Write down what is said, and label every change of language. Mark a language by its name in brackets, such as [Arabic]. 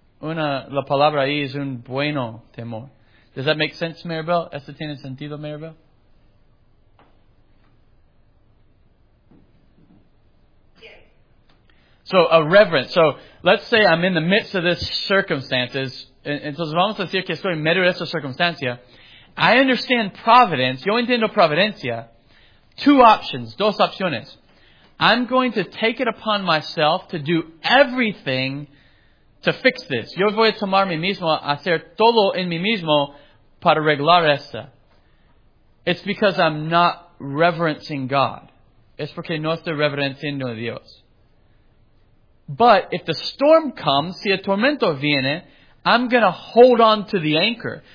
[Spanish] La palabra ahí es un bueno temor. [English] Does that make sense, [Spanish] Maribel? ¿Eso tiene sentido, Maribel? [English] So a reverence. So let's say I'm in the midst of this circumstances. [Spanish] Entonces vamos a decir que estoy en medio de esta circunstancia. [English] I understand providence. [Spanish] Yo entiendo providencia. [English] Two options. [Spanish] Dos opciones. [English] I'm going to take it upon myself to do everything to fix this. [Spanish] Yo voy a tomar mi mismo, hacer todo en mi mismo para arreglar esta. [English] It's because I'm not reverencing God. [Spanish] Es porque no estoy reverenciando a Dios. [English] But if the storm comes, [Spanish] si el tormento viene, [English] I'm going to hold on to the anchor.